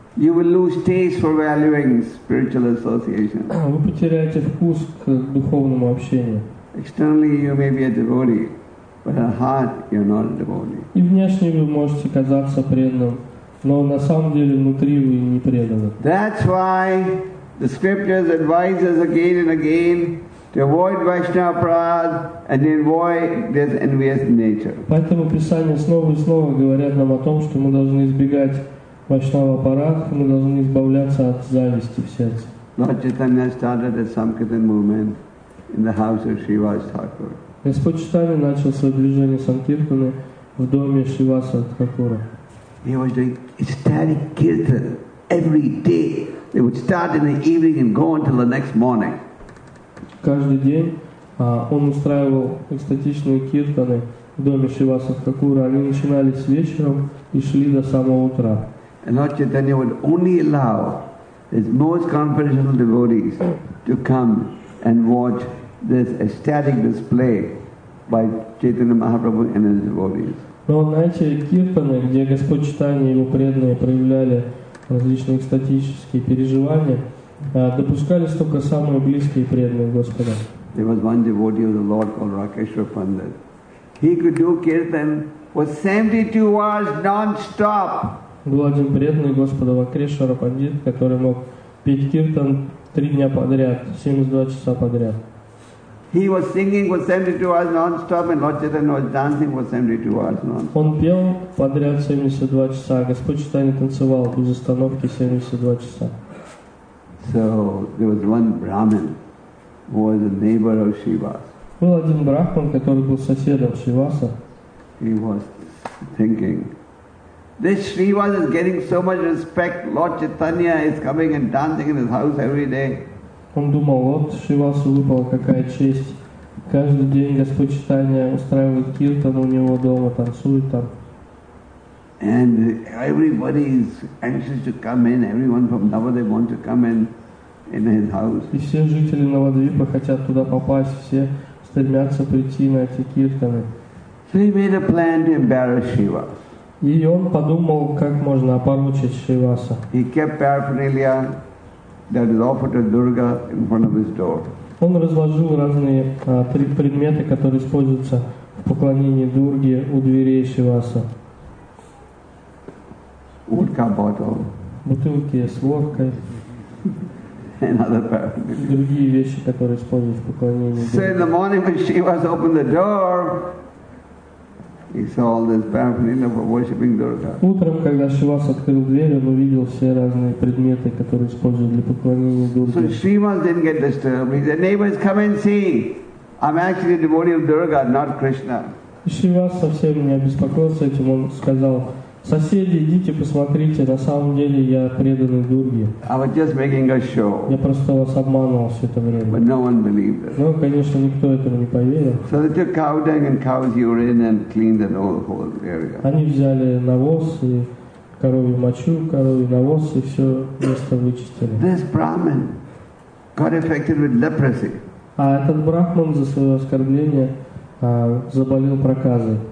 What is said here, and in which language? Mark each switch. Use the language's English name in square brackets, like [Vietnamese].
[English] You will lose taste for valuing spiritual association. [Russian] Вы потеряете вкус к духовному общению. [English] Externally you may be a devotee. But at heart, you're not a devotee. [Russian] И внешне вы можете казаться преданным, но на самом деле внутри вы не преданы. [English] That's why the scriptures advise us again and again To avoid Vaishnava pride and avoid this envious nature. [Russian] Поэтому Писание снова и снова говорят нам о том, что мы должны избегать Вайшнава аппарат, мы должны избавляться от зависти в сердце. [English] Lord Chaitanya started the Sankirtan movement in the house of Srivas Thakur. [Russian] Господь Чайтанья начал свое движение Санкиртаны в доме Шриваса Тхакура. [English] He was doing ecstatic kirtan every day. It would start in the evening and go until the next morning. [Russian] Каждый день он устраивал экстатичные киртаны в доме Шриваса Тхакура. Они начинались вечером и шли до самого утра. [English] And Lord Chaitanya would only allow his most confidential devotees to come and watch this ecstatic display by Chaitanya Mahaprabhu and his devotees. [Russian] Но на эти киртаны, где Господь Чайтанья и его преданные проявляли различные экстатические переживания, допускались только самые близкие преданные Господа. [English] There was one devotee of the Lord called Rakeshwar Pandit. He could do kirtan for 72 hours non-stop. [Russian] Был один преданный Господа Вакрешвара Пандит, который мог петь киртан 3 дня подряд, 72 часа подряд. [English] He was singing for 72 hours non-stop and Lord Chaitanya was dancing for 72 hours non-stop. [Russian] Он пел подряд 72 часа, Господь Чайтанья танцевал без остановки 72 часа. [English] So there was one Brahmin who was a neighbor of Shivas. [Russian] Был один брахман, который был соседом Шиваса. [English] He was thinking, this Shrivas is getting so much respect. Lord Chaitanya is coming and dancing in his house every day. [Russian] Он думал, вот Шривасу выпала какая честь. Каждый день Господь Чайтанья устраивает киртан у него дома, танцует там. [English] And everybody is anxious to come in. Everyone from Navadvipa want to come in his house. [Russian] И все жители Навадвипа хотят туда попасть, все стремятся прийти на эти киртаны. [English] So he made a plan to embarrass Shiva. [Russian] И он подумал, как можно опорочить Шриваса. [English] He kept paraphernalia that is offered to Durga in front of his door. [Russian] Он разложил разные три предмета, которые используются в поклонении Дурге у дверей Шриваса. [English] Водка bottle. [Russian] Бутылки с водкой. [English] And other paraphernalia. [Russian] Другие вещи, которые используются в поклонении Дурге. [English] So in the morning when Shrivas opened the door, he saw all this paraphernalia for worshipping Durga. [Russian] Утром, когда Шивас открыл дверь, он увидел все разные предметы, которые использовали для поклонения Дурге. [English] So Шивас didn't get disturbed. He said, "Neighbors, come and see. I'm actually a devotee of Durga, not Krishna." [Russian] Шивас совсем не обеспокоился этим. Он сказал: "Соседи, идите посмотрите. На самом деле я преданный Дурге." [English] I was just making a show. [Russian] Я просто вас обманывал все это время. [English] But no one believed it. [Russian] Но, конечно, никто этого не поверил. [English] So they took cow dung and cow's urine and cleaned the whole area. [Russian] Они взяли навоз и коровью мочу, коровью навоз и все место вычистили. [English] This Brahmin got affected with leprosy. [Russian] А этот брахман за свое оскорбление заболел проказой.